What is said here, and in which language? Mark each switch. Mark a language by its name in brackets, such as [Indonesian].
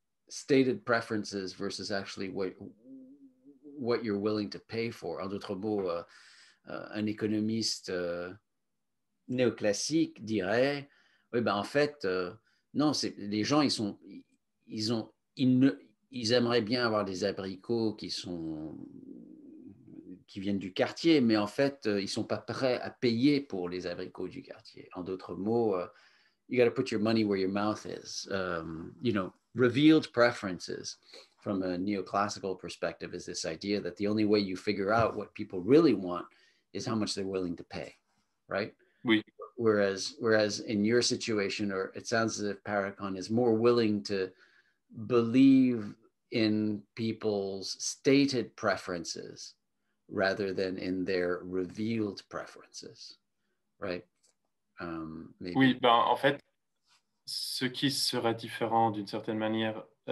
[English] Stated preferences versus actually what you're willing to pay for. [French] En d'autres mots, un économiste néoclassique dirait, oui, ben en fait, non, c'est les gens, ils aimeraient bien avoir des abricots qui viennent du quartier, mais en fait, ils sont pas prêts à payer pour les abricots du quartier. En d'autres mots, [English] you got to put your money where your mouth is. Revealed preferences. From a neoclassical perspective, is this idea that the only way you figure out what people really want is how much they're willing to pay, right? [French] Oui. [English] Whereas in your situation, or it sounds as if Paracon is more willing to believe in people's stated preferences rather than in their revealed preferences, right? [French] Oui, ben, en fait, ce qui sera différent d'une certaine manière.